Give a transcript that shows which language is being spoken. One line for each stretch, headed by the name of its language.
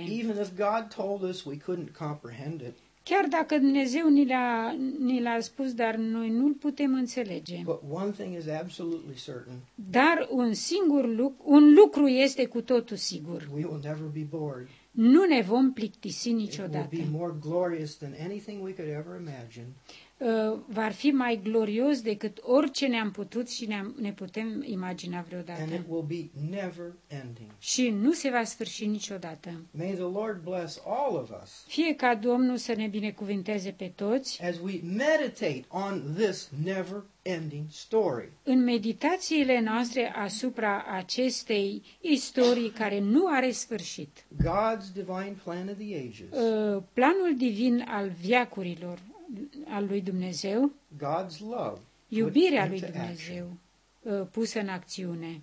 English: Even if God told us, we couldn't comprehend it.
Romanian: Chiar dacă Dumnezeu ni l-a spus, dar noi nu-l putem înțelege.
English: But one thing is absolutely certain.
Romanian: Dar un lucru este cu totul sigur.
English: We will never be bored.
Romanian: Nu ne vom plictisi niciodată.
English: It will be more glorious than anything we could ever imagine.
Romanian: Va fi mai glorios decât orice ne-am putut și ne putem imagina vreodată.
English: And it will be never ending.
Romanian: Și nu se va sfârși niciodată.
English: May the Lord bless all of us.
Romanian: Fie ca Domnul să ne binecuvinteze pe toți.
English: As we meditate on this never ending story.
Romanian: În meditațiile noastre asupra acestei istorii care nu are sfârșit.
English: God's divine plan of the ages.
Romanian: Planul divin al veacurilor al lui Dumnezeu.
English: God's love.
Romanian: Iubirea lui Dumnezeu pusă în acțiune.